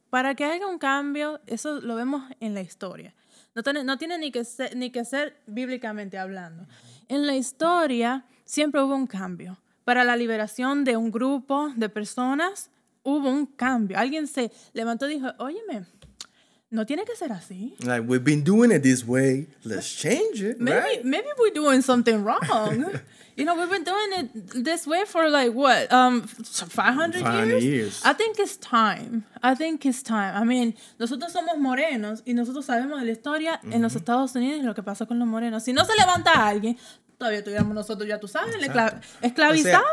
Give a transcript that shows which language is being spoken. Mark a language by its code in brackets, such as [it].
[es] Para que haya un cambio, eso lo vemos en la historia. No tiene ni que ser bíblicamente hablando. En la historia siempre hubo un cambio. Para la liberación de un grupo de personas hubo un cambio. Alguien se levantó y dijo, óyeme, no tiene que ser así. [en] Like, we've been doing it this way, let's change it, maybe, right? Maybe we're doing something wrong. You know, we've been doing it this way for like, what, 500 years? I think it's time. I mean, [es] nosotros somos morenos y nosotros sabemos de la historia mm-hmm. en los Estados Unidos y lo que pasó con los morenos. Si no se levanta alguien, todavía tuviéramos nosotros, ya tú sabes, esclavizados.